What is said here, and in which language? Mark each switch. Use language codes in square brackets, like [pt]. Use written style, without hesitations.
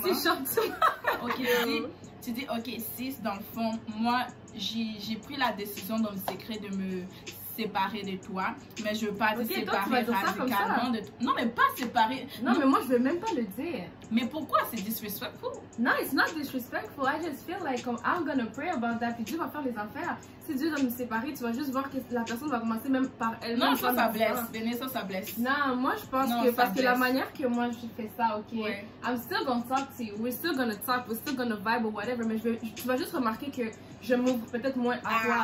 [fr] C'est gentiment. Ok, si tu dis ok, 6, dans le fond, moi j'ai pris la décision dans le secret de me séparer de toi, mais je veux pas te séparer radicalement de toi. Non, mais pas séparer. Non, mais moi je veux même pas le dire. Mais pourquoi? C'est disrespectful. [en] Non, it's not disrespectful. I just feel like I'm gonna pray about that. [fr] Puis Dieu va faire les affaires. Si Dieu doit nous séparer, tu vas juste voir que la personne va commencer même par elle. Non, ça, ça blesse. Venez, ça, ça blesse. Non, moi je pense non, que parce blesse. Que la manière que moi je fais ça, ok. Ouais. [en] I'm still gonna talk to you. We're still gonna talk. We're still gonna vibe or whatever. [fr] Mais tu vas juste remarquer que je m'ouvre peut-être moins à toi.